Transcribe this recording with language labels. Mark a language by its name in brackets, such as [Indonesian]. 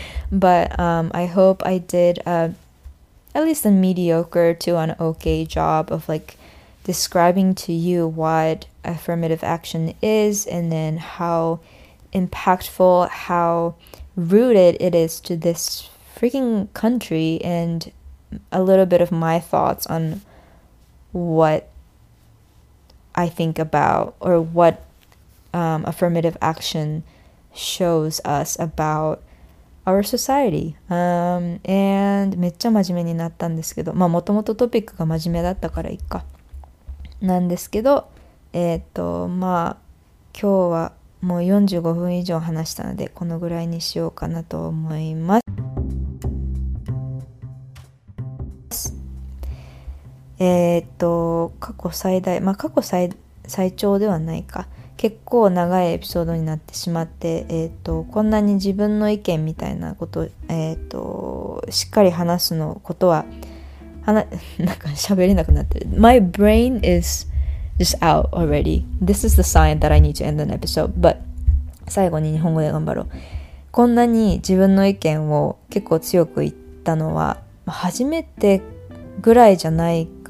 [English] But I hope I did at least a mediocre to an okay job of, like, describing to you what affirmative action is and then how impactful, how rooted it is to this freaking country, and a little bit of my thoughts on what I think about, or what affirmative action shows us about our society. [Japanese] And めっちゃ真面目になったんですけど、まあもともとトピックが真面目だったからいいか。なんですけど、まあ今日はもう45分以上話したので、このぐらいにしようかなと思います。過去最大、まあ過去最長ではないか、結構長いエピソードになってしまって、こんなに自分の意見みたいなこと、しっかり話すのことは、なんか喋れなくなってる。 [English] My brain is just out already. This is the sign that I need to end an episode. [Japanese] But 最後に日本語で頑張ろう。こんなに自分の意見を結構強く言ったのは、初めてぐらいじゃないか。